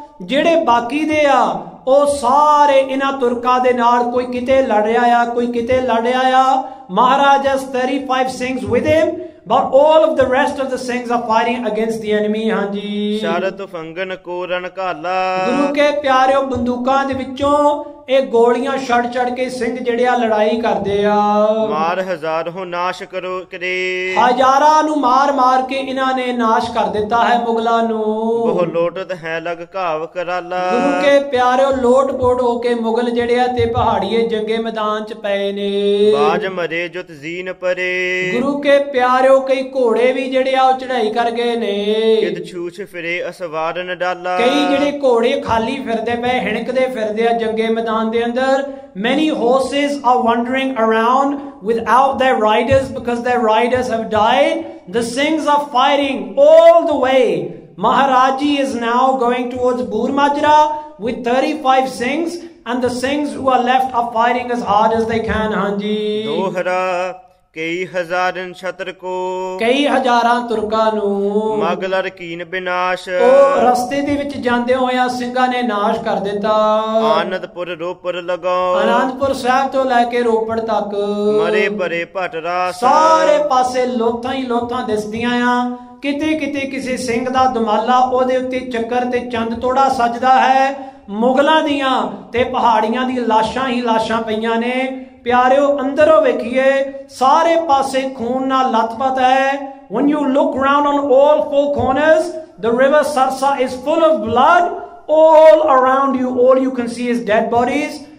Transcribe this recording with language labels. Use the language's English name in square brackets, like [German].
[Punjabi] ਜਿਹੜੇ ਬਾਕੀ ਦੇ ਆ ਉਹ ਸਾਰੇ ਇਹਨਾਂ ਤੁਰਕਾਂ ਦੇ ਨਾਲ ਕੋਈ ਕਿਤੇ ਲੜ ਰਿਹਾ ਆ, ਕੋਈ ਕਿਤੇ ਲੜ ਰਿਹਾ ਆ। [English] Maharaj has 35 Singhs with him, but all of the rest of the Singhs are fighting against the enemy. [Punjabi] Haanji sharat fangan kuran kala, guru ke pyareo bandookan de vichon ਇਹ ਗੋਲੀਆਂ ਛੱਡ ਛੱਡ ਕੇ ਸਿੰਘ ਜਿਹੜੇ ਆ ਲੜਾਈ ਕਰਦੇ ਆ, ਮਾਰ ਹਜ਼ਾਰੋਂ ਨਾਸ਼ ਕਰੋ ਕਰੇ, ਹਜ਼ਾਰਾਂ ਨੂੰ ਮਾਰ ਮਾਰ ਕੇ ਇਹਨਾਂ ਨੇ ਨਾਸ਼ ਕਰ ਦਿੱਤਾ ਹੈ ਮੁਗਲਾਂ ਨੂੰ। ਉਹ ਲੋਟਤ ਹੈ ਲਗ ਘਾਵ ਕਰਾਲਾ, ਗੁਰੂ ਕੇ ਪਿਆਰਿਓ ਲੋਟ ਪੋਟ ਹੋ ਕੇ ਮੁਗਲ ਜਿਹੜੇ ਆ ਤੇ ਪਹਾੜੀਏ ਜੰਗੇ ਮੈਦਾਨ ਚ ਪਏ ਨੇ। ਬਾਜ ਮਰੇ ਜੁਤ ਜ਼ੀਨ ਪਰੇ, ਗੁਰੂ ਕੇ ਪਿਆਰਿਓ ਕਈ ਘੋੜੇ ਵੀ ਜਿਹੜੇ ਆ ਉਹ ਚੜ੍ਹਾਈ ਕਰ ਗਏ ਨੇ। ਕਿਦ ਛੂਛ ਫਿਰੇ ਅਸਵਾਰ ਨ ਡਾਲਾ, ਕਈ ਜਿਹੜੇ ਘੋੜੇ ਖਾਲੀ ਫਿਰਦੇ ਪਏ ਹਿਣਕਦੇ ਫਿਰਦੇ ਆ ਜੰਗੇ ਮੈਦਾਨ ਦੇ ਅੰਦਰ। [English] Many horses are wandering around without their riders because their riders have died. The Singhs are firing all the way. Maharaji is now going towards Burmajra with 35 Singhs and the Singhs who are left are firing as hard as they can. [Punjabi] Hanji. Dohara. ਕਈ ਹਜ਼ਾਰਾਂ ਛਤਰ ਕੋ, ਕਈ ਹਜ਼ਾਰਾਂ ਤੁਰਕਾਂ ਨੂੰ ਮਗਲਰ ਕੀਨ ਬਿਨਾਸ਼, ਉਹ ਰਸਤੇ ਦੇ ਵਿੱਚ ਜਾਂਦੇ ਹੋਏ ਸਿੰਘਾਂ ਨੇ ਨਾਸ਼ ਕਰ ਦਿੱਤਾ। ਆਨੰਦਪੁਰ ਰੋਪੜ ਲਗਾ, ਆਨੰਦਪੁਰ ਸਾਹਿਬ ਤੋਂ ਲੈ ਕੇ ਰੋਪੜ ਤੱਕ ਮਰੇ ਭਰੇ ਭਟਰਾ, ਸਾਰੇ ਪਾਸੇ ਲੋਥਾਂ ਹੀ ਲੋਥਾਂ ਦਿਸਦੀਆਂ ਆ। ਕਿਤੇ ਕਿਤੇ ਕਿਸੇ ਸਿੰਘ ਦਾ ਦੁਮਾਲਾ, ਉਹਦੇ ਉੱਤੇ ਚੱਕਰ ਤੇ ਚੰਦ ਤੋੜਾ ਸੱਜਦਾ ਹੈ। ਮੁਗਲਾਂ ਦੀਆਂ ਤੇ ਪਹਾੜੀਆਂ ਦੀ ਲਾਸ਼ਾਂ ਹੀ ਲਾਸ਼ਾਂ ਪਈਆਂ ਨੇ। ਪਿਆਰਿਓ ਅੰਦਰੋਂ ਵੇਖੀਏ, ਸਾਰੇ ਪਾਸੇ ਖੂਨ ਨਾਲ ਲੱਥਪੱਥ ਹੈ। [English] When you look round on all four corners, the river Sarsa is full of blood. All around you, all you can see is dead bodies.